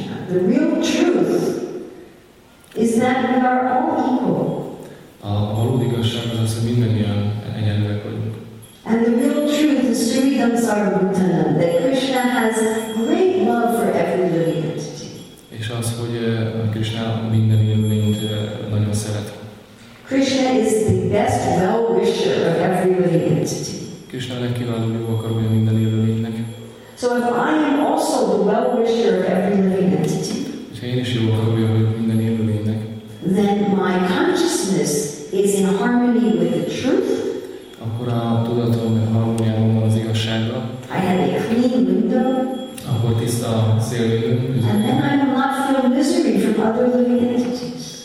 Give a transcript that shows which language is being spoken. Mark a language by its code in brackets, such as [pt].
[en] The real truth is that we are all equal. [hu] A valódi igazság az, hogy mindannyian egyenlőek vagyunk. [en] And the real truth is Sri Damsarabhutanam, that Krishna has great love for every living entity. [hu] És az, hogy Krishna minden élőlényt nagyon szeret. [en] Krishna is the best well-wisher of every living entity. [hu] Krishna a legkiválóbb jó akarója minden élőlénynek. [en] So if I am also the well-wisher of every living entity, [hu] és én is jó akarója vagyok minden élőlénynek, [en] then my consciousness is in harmony with the truth. [hu] Akkor a tudatom harmóniában van az igazsággal. [en] I have a clean window. [hu] Akkor tiszta a szélvédő. [en] And then I will not feel misery from other living entities.